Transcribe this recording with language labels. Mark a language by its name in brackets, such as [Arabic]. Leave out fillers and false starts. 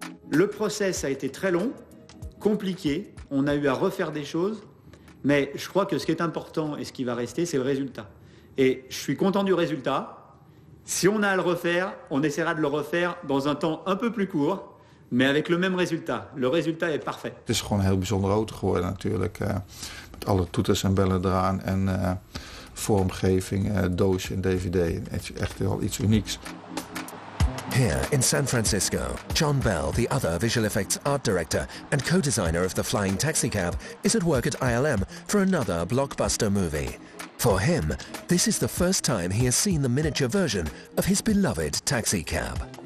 [French] Le process a été très long, compliqué, on a eu à refaire des choses, mais je crois que ce qui est important et ce qui va rester, c'est le résultat. Et je suis content du résultat. Si on a à le refaire, on essaiera de le refaire dans un temps un peu plus court, mais avec le même résultat. Le résultat est parfait. [Dutch] C'est gewoon een heel bijzondere auto geworden natuurlijk. Met alle toeters en bellen eraan en vormgeving, doosje en DVD. Echt wel iets unieks. [English] Here in San Francisco, John Bell, the other visual effects art director and co-designer of the Flying Taxicab, is at work at ILM for another blockbuster movie. For him, this is the first time he has seen the miniature version of his beloved taxicab.